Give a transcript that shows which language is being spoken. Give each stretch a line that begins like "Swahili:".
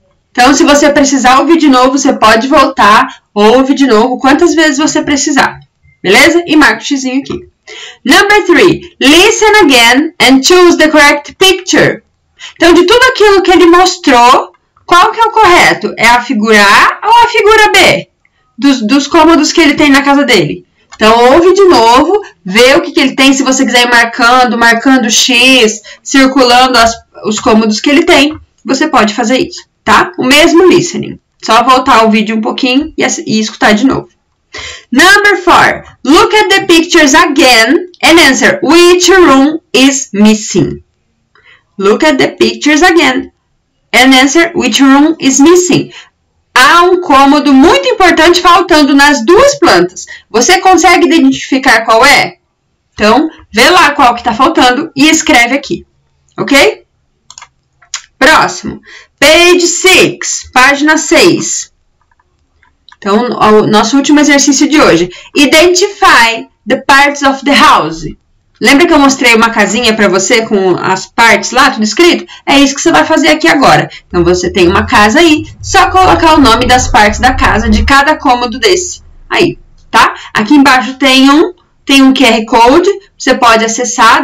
Portuguese: Então, se você precisar ouvir de novo, você pode voltar, ouve de novo, quantas vezes você precisar. Beleza? E marca o xizinho aqui.
English: Number 3. Listen again and choose the correct picture.
Portuguese: Então, de tudo aquilo que ele mostrou, qual que é o correto? É a figura A ou a figura B? Dos cômodos que ele tem na casa dele. Então, ouve de novo, vê o que, que ele tem, se você quiser ir marcando X, circulando os cômodos que ele tem. Você pode fazer isso, tá? O mesmo listening. Só voltar o vídeo um pouquinho e escutar de novo.
English: Number 4. Look at the pictures again and answer which room is missing. Look at the pictures again and answer which room is missing.
Portuguese: Há um cômodo muito importante faltando nas duas plantas. Você consegue identificar qual é? Então, vê lá qual que está faltando e escreve aqui. Ok? Próximo.
English: Page 6.
Portuguese: Página 6. Então, o nosso último exercício de hoje.
English: Identify the parts of the house.
Portuguese: Lembra que eu mostrei uma casinha para você com as partes lá, tudo escrito? É isso que você vai fazer aqui agora. Então, você tem uma casa aí. Só colocar o nome das partes da casa, de cada cômodo desse. Aí, tá? Aqui embaixo tem um QR Code. Você pode acessar.